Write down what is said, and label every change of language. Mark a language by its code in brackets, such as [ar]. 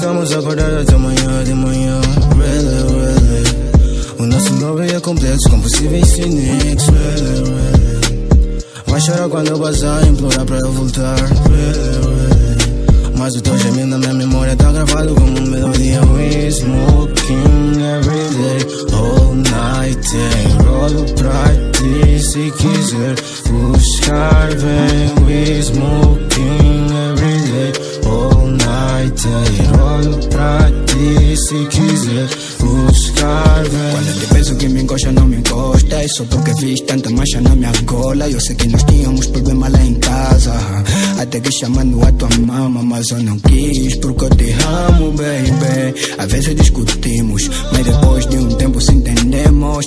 [pt] Acordado até amanhã, de manhã. [en] Really, really. [pt] O nosso nome é completo, com possíveis cynics. [en] Really, really. [pt] Vai chorar quando eu bazar, implorar pra eu voltar. [en] Really, really. [pt] Mas o teu gemido na minha memória tá gravado como um melodia. [en] We smoking every day, all night. [pt] Enrolo pra ti se quiser buscar. Vem, [en] we smoking every day, all night. [pt] Enrolo pra ti se quiser buscar. Vem. Quando eu te penso que me encosta, não me encosta. É só porque fiz tanta mancha na minha gola. Eu sei que nós tínhamos problema lá em casa. Até que chamando a tua mama, mas eu não quis, porque eu te amo, baby. Às vezes discutimos, mas depois de um tempo se entendemos.